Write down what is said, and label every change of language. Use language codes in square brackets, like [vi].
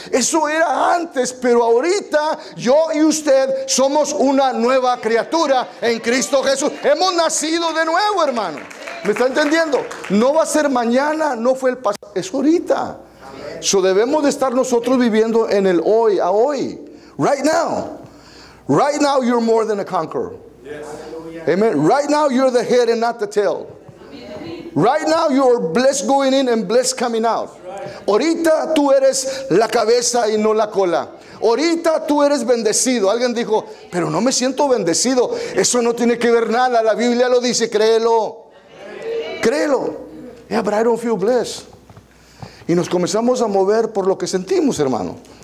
[es] Eso era antes, pero ahorita yo y usted somos una nueva criatura en Cristo Jesús. Hemos nacido de nuevo, hermano. ¿Me está entendiendo? No va a ser mañana, no fue el pasado, es ahorita. So debemos de estar nosotros viviendo en el hoy, a hoy. [en] Right now. Right now you're more than a conqueror. Amen. Right now you're the head and not the tail. Right now you are blessed going in and blessed coming out. [es] Ahorita tú eres la cabeza y no la cola. Ahorita tú eres bendecido. Alguien dijo, pero no me siento bendecido. Eso no tiene que ver nada. La Biblia lo dice, créelo. Créelo. [en] Yeah, but I don't feel blessed. [es] Y nos comenzamos a mover por lo que sentimos, hermano.